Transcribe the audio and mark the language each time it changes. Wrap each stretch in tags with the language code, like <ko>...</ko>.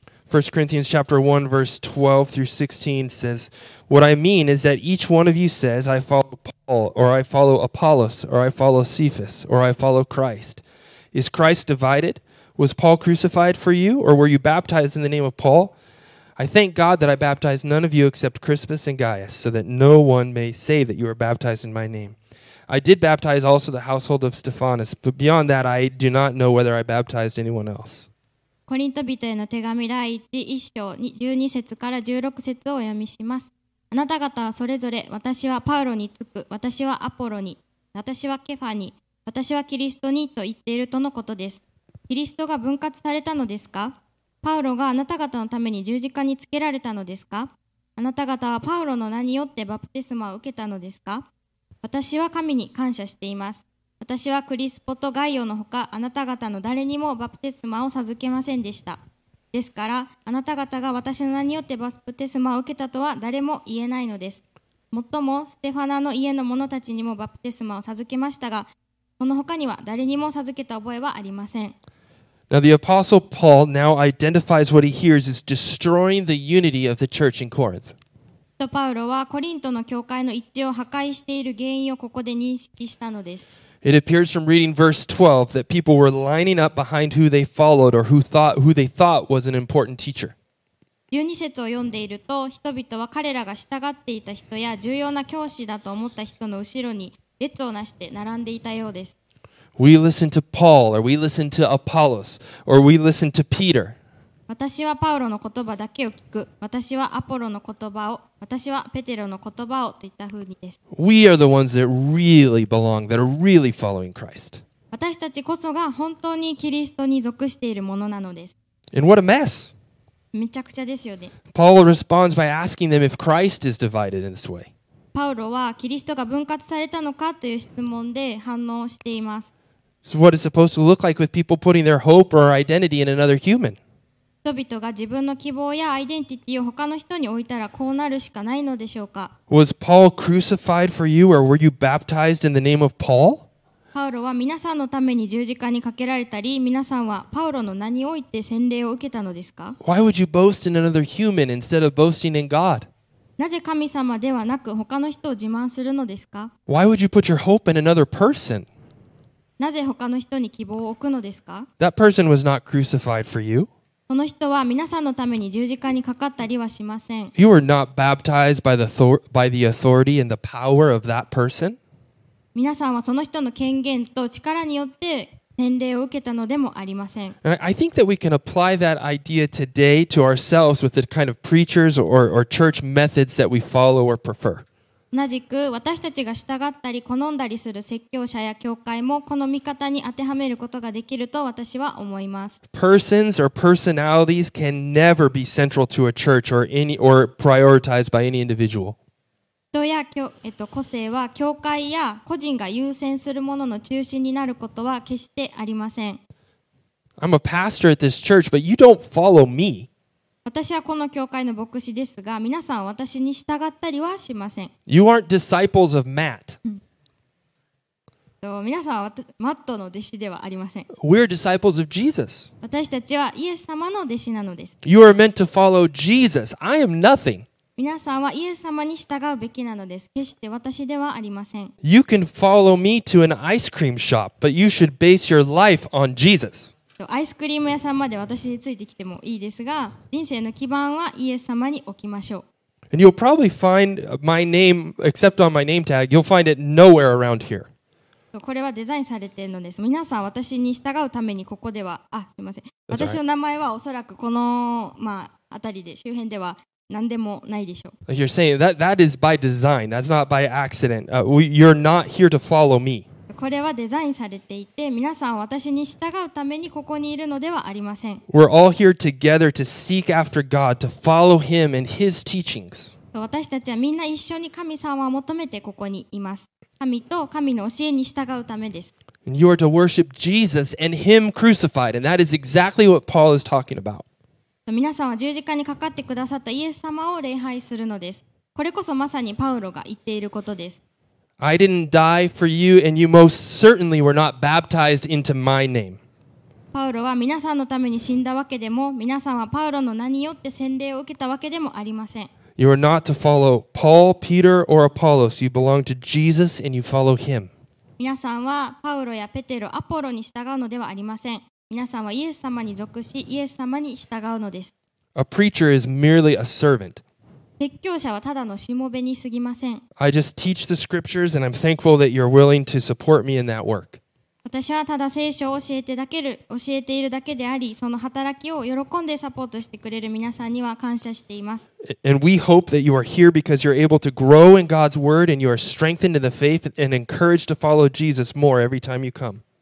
<en>1 Corinthians chapter 1 verse 12 through 16 says, What I mean is that each one of you says, I follow Paul, or I follow Apollos, or I follow Cephas, or I follow Christ. Is Christ divided? Was Paul crucified for you, or were you baptized in the name of Paul? I thank God that I baptized none of you except Crispus and Gaius, so that no one may say that you were baptized in my name. I did baptize also the household of Stephanas, but beyond that I do not know whether I baptized anyone else.</en> <ja>コリント人への手紙第一、一章十二節から十六節を読みします。あなた方はそれぞれ、私はパウロにつく、私はアポロに、私はケファに、私はキリストにと言っているとのことです。キリストが分割されたのですか？パウロがあなた方のために十字架につけられたのですか？あなた方はパウロの名によってバプテスマを受けたのですか？私は神に感謝しています。私はクリスポとガイオのほか、あなた方の誰にもバプテスマを授けませんでした。ですから、あなた方が私の名によってバプテスマを受けたとは誰も言えないのです。もっとも、ステファナの家の者たちにもバプテスマを授けましたが、その他には誰にも授けた覚えはありません。</ja> <en>Now the Apostle Paul now identifies what he hears is destroying the unity of the church in Corinth.</en> <ja>パウロはコリントの教会の一致を破壊している原因をここで認識したのです。</ja> <en>It appears from reading verse 12 that people were lining up behind who they followed or who they thought was an important teacher.</en> <ja>12節を読んでいると、人々は彼らが従っていた人や重要な教師だと思った人の後ろに列をなして並んでいたようです。</ja> <en>We listen to Paul, or we listen to Apollos, or we listen to Peter.</en> <ja>私はパウロの言葉だけを聞く。私はアポロの言葉を。私はペテロの言葉をといった風にです。</ja> <en>We are the ones that really belong, that are really following Christ.</en> <ja>私たちこそが本当にキリストに属しているものなのです。</ja> <en>And what a mess!</en> <ja>めちゃくちゃですよね。</ja> <en>Paul responds by asking them if Christ is divided in this way.</en> <ja>パウロはキリストが分割されたのかという質問で反応しています。</ja> <en>So what it's supposed to look like with people putting their hope or identity in another human?</en> <ja>人々が自分の希望やアイデンティティを他の人に置いたらこうなるしかないのでしょうか。</ja> <en>Was Paul crucified for you or were you baptized in the name of Paul?</en> <ja>パウロは皆さんのために十字架にかけられたり、皆さんはパウロの名において洗礼を受けたのですか。</ja> <en>Why would you boast in another human instead of boasting in God?</en> <ja>なぜ神様ではなく他の人を自慢するのですか。</ja> <en>Why would you put your hope in another person?</en> <ja>なぜ他の人に希望を置くのですか。</ja> <en>That person was not crucified for you.</en> <ja>その人は皆さんのために十字架にかかったりはしません。</ja> <en>You were not baptized by the authority and the power of that person.</en> <ja>皆さんはその人の権限と力によって洗礼を受けたのでもありません。</ja> <en>I think that we can apply that idea today to ourselves with the kind of preachers or church methods that we follow or prefer.</en> <ja>同じく私たちが従ったり好んだりする説教者や教会もこの見方に当てはめることができると私は思います。</ja> <en>Persons or personalities can never be central to a church or prioritized by any individual.</en> <ja>人や個性は教会や個人が優先するものの中心になることは決してありません。</ja> <en>I'm a pastor at this church, but you don't follow me.</en> <ja>私はこの教会の牧師ですが、皆さんは私に従ったりはしません。</ja> <en>You aren't disciples of Matt.</en> <ja>皆さんはマットの弟子ではありません。</ja> <en>We're disciples of Jesus.</en> <ja>私たちはイエス様の弟子なのです。</ja> <en>You are meant to follow Jesus. I am nothing.</en> <ja>皆さんはイエス様に従うべきなのです。決して私ではありません。</ja> <en>You can follow me to an ice cream shop, but you should base your life on Jesus.</en> <ja>アイスクリーム屋さんまで私についてきてもいいですが、人生の基盤はイエス様に置きましょう。</ja> <en>And you'll probably find my name, except on my name tag, you'll find it nowhere around here.</en> <ja>これはデザインされているのです。皆さん私に従うためにここでは、あ、すみません。私の名前はおそらくこの、まあ、あたりで、周辺では何でもないでしょう。</ja> <en>You're saying that that is by design. That's not by accident. You're not here to follow me.</en> <ja>これはデザインされていて、皆さんは私に従うためにここにいるのではありません。</ja> <en>We're all here together to seek after God, to follow Him and His teachings.</en> <ja>私たちはみんな一緒に神様を求めてここにいます。神と神の教えに従うためです。</ja> <en>And you are to worship Jesus and Him crucified, and that is exactly what Paul is talking about.</en> <ja>皆さんは十字架にかかってくださったイエス様を礼拝するのです。これこそまさにパウロが言っていることです。</ja> <en>I didn't die for you, and you most certainly were not baptized into my name.</en> <ja>パウロは皆さんのために死んだわけでも、皆さんはパウロの名によって洗礼を受けたわけでもありません。</ja> <en>You are not to follow Paul, Peter, or Apollos. You belong to Jesus, and you follow him.</en> <ja>皆さんはパウロやペテロ、アポロに従うのではありません。皆さんはイエス様に属し、イエス様に従うのです。</ja> <en>A preacher is merely a servant.</en> <ja>説教者はただのしもべにすぎません。</ja> <en>I just teach the scriptures and I'm thankful that you're willing to support me in that work.</en> <ja>私はただ聖書を教えているだけであり、その働きを喜んでサポートしてくれる皆さんには感謝しています。</ja> <en>And we hope that you are here because you're able to grow in God's word and you are strengthened in the faith and encouraged to follow Jesus more every time you come.</en>